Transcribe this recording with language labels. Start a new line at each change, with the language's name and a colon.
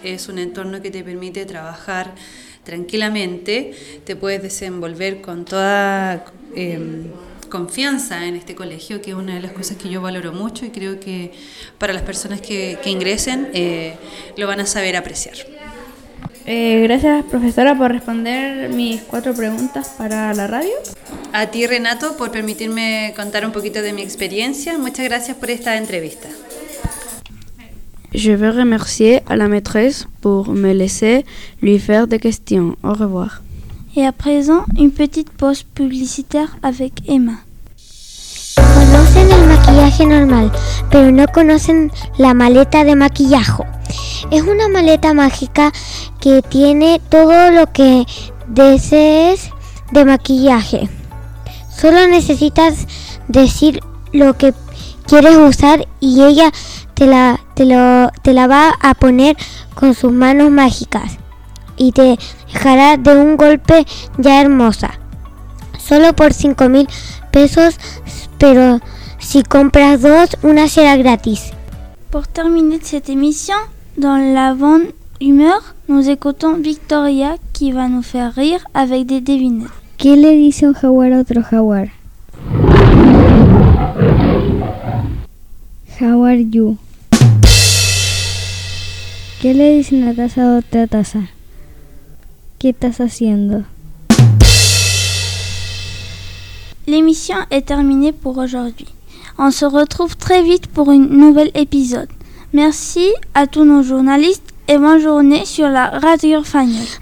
Spanish: Es un entorno que te permite trabajar tranquilamente, te puedes desenvolver con toda confianza en este colegio, que es una de las cosas que yo valoro mucho y creo que para las personas que ingresen lo van a saber apreciar. Gracias, profesora, por responder mis 4 preguntas para la radio. A ti, Renato, por permitirme contar un poquito de mi experiencia. Muchas gracias por esta entrevista.
French: Je veux remercier a la maîtresse pour me laisser lui faire des questions. Au revoir. Et à présent, une petite pause publicitaire avec Emma.
Spanish: Conocen el maquillaje normal, pero no conocen la maleta de maquillaje. Es una maleta mágica que tiene todo lo que desees de maquillaje. Solo necesitas decir lo que quieres usar y ella te la va a poner con sus manos mágicas. Y te dejará de un golpe ya hermosa. Solo por 5,000 pesos, pero si compras 2, una será gratis.
French: Pour terminer cette émission, dans la bonne humeur, nous écoutons Victoria qui va nous faire rire avec des devinettes.
Spanish: ¿Qué le dice un jaguar a otro jaguar?
English: How are you?
Spanish: ¿Qué le dice una taza a otra taza? ¿Qué estás haciendo?
French: L'émission est terminée pour aujourd'hui. On se retrouve très vite pour un nouvel épisode. Merci à tous nos journalistes et bonne journée sur la Radio Fagnol.